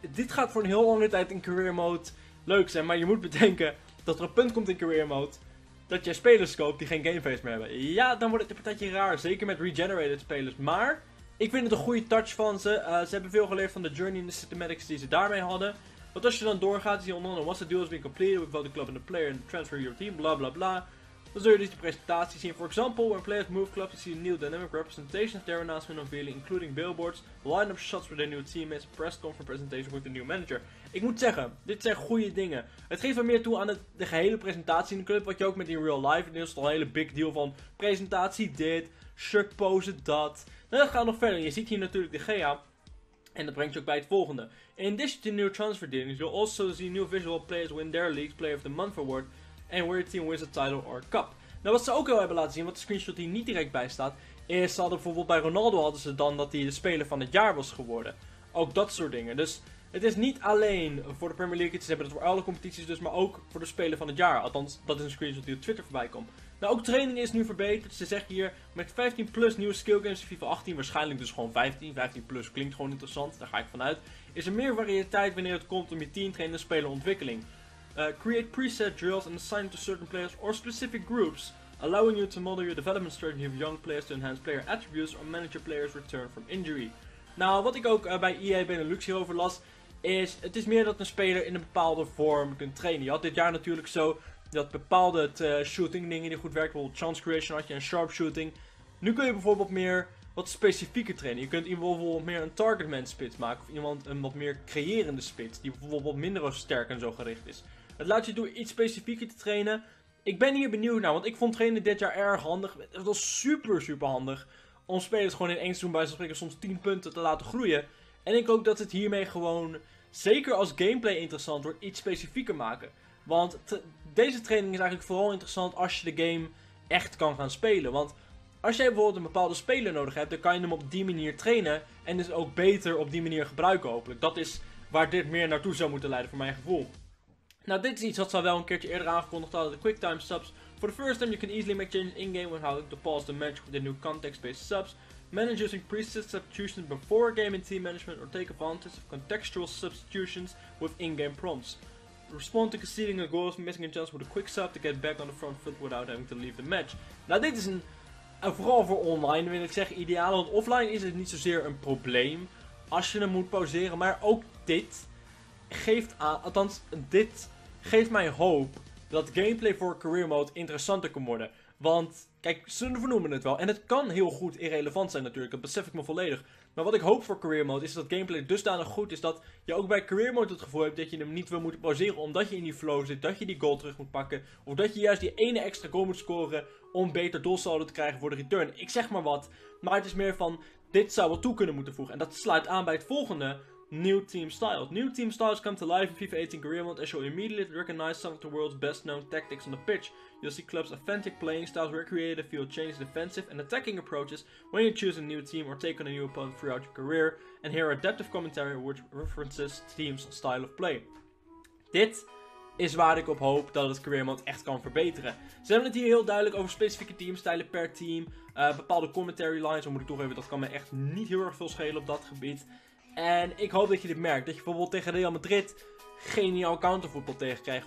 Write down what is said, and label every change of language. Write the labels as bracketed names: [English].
[Dutch] Dit gaat voor een heel lange tijd in Career Mode leuk zijn, maar je moet bedenken dat er een punt komt in Career Mode dat jij spelers koopt die geen gameface meer hebben. Ja, dan wordt het een partijtje raar. Zeker met regenerated spelers. Maar ik vind het een goede touch van ze. Ze hebben veel geleerd van de journey en de cinematics die ze daarmee hadden. Want als je dan doorgaat, zie je onder andere, [English] once the deal has been completed with both the club and the player and transfer your team, [Dutch] bla bla bla. Dan zul je dus de presentatie zien. [English] For example, when players move clubs, you see a new dynamic representation of their announcement on billing, including billboards, line-up shots for their new teammates, press conference presentation with the new manager. [Dutch] Ik moet zeggen, dit zijn goede dingen. Het geeft wat meer toe aan de gehele presentatie in de club, wat je ook met [English] in real life. [Dutch] Dit is al een hele big deal van presentatie dit, shirt pose dat. Nou, dat gaat nog verder. Je ziet hier natuurlijk de GA. En dat brengt je ook bij het volgende. [English] In addition to new transfer dealings, you'll also see new visual players win their league Player of the Month award. En where your team wins a title or a cup. [Dutch] Nou, wat ze ook al hebben laten zien, wat de screenshot hier niet direct bij staat, is ze hadden bijvoorbeeld bij Ronaldo hadden ze dan dat hij de speler van het jaar was geworden. Ook dat soort dingen. Dus het is niet alleen voor de Premier League, ze hebben dat voor alle competities dus, maar ook voor de speler van het jaar. Althans, dat is een screenshot die op Twitter voorbij komt. Nou, ook training is nu verbeterd. Ze zeggen hier met 15 plus nieuwe skill games in FIFA 18, waarschijnlijk dus gewoon 15. 15 plus klinkt gewoon interessant, daar ga ik vanuit. Is er meer variëteit wanneer het komt om je team trainen en spelen ontwikkeling. [English] Create preset drills and assign it to certain players or specific groups, allowing you to model your development strategy of young players to enhance player attributes or manage your players' return from injury. [Dutch] Nou, wat ik ook bij EA Benelux hierover las, is het is meer dat een speler in een bepaalde vorm kunt trainen. Je had dit jaar natuurlijk zo dat bepaalde shooting dingen die goed werken, bijvoorbeeld chance creation had je en sharpshooting. Nu kun je bijvoorbeeld meer wat specifieker trainen. Je kunt iemand bijvoorbeeld meer een targetman spits maken of iemand een wat meer creërende spits die bijvoorbeeld minder sterk en zo gericht is. Het laat je toe iets specifieker te trainen. Ik ben hier benieuwd naar, want ik vond trainen dit jaar erg handig. Het was super, super handig om spelers gewoon in één seizoen bij te spreken soms 10 punten te laten groeien. En ik hoop dat het hiermee gewoon, zeker als gameplay interessant wordt, iets specifieker maken. Want deze training is eigenlijk vooral interessant als je de game echt kan gaan spelen. Want als jij bijvoorbeeld een bepaalde speler nodig hebt, dan kan je hem op die manier trainen. En dus ook beter op die manier gebruiken, hopelijk. Dat is waar dit meer naartoe zou moeten leiden, voor mijn gevoel. Nou, dit is iets wat ze al wel een keertje eerder aangekondigd hadden, de QuickTime subs. [English] For the first time, you can easily make changes in-game without having to pause the match with the new context-based subs. Manage using preset substitutions before game in team management or take advantage of contextual substitutions with in-game prompts. Respond to conceding a goal or missing a chance with a quick sub to get back on the front foot without having to leave the match. [Dutch] Nou, dit is een vooral voor online wil ik zeggen ideaal, want offline is het niet zozeer een probleem als je hem moet pauzeren, maar ook dit geeft aan, althans, dit geeft mij hoop dat gameplay voor career mode interessanter kan worden. Want, kijk, ze vernoemen het wel. En het kan heel goed irrelevant zijn natuurlijk, dat besef ik me volledig. Maar wat ik hoop voor career mode is dat gameplay dusdanig goed is dat je ook bij career mode het gevoel hebt dat je hem niet wil moeten pauzeren omdat je in die flow zit, dat je die goal terug moet pakken. Of dat je juist die ene extra goal moet scoren om beter doelsaldo te krijgen voor de return. Ik zeg maar wat, maar het is meer van, dit zou wel toe kunnen moeten voegen. En dat sluit aan bij het volgende. [English] New team styles. New team styles come to life in FIFA 18 career mode and show immediately to recognize some of the world's best known tactics on the pitch. You'll see clubs' authentic playing styles recreated, feel changed defensive and attacking approaches when you choose a new team or take on a new opponent throughout your career. And here adaptive commentary which references teams' style of play. [Dutch] Dit is waar ik op hoop dat het career mode echt kan verbeteren. Ze hebben het hier heel duidelijk over specifieke teamstijlen per team, bepaalde commentary lines, dan moet ik toegeven dat kan me echt niet heel erg veel schelen op dat gebied. En ik hoop dat je dit merkt. Dat je bijvoorbeeld tegen Real Madrid geniaal countervoetbal tegenkrijgt.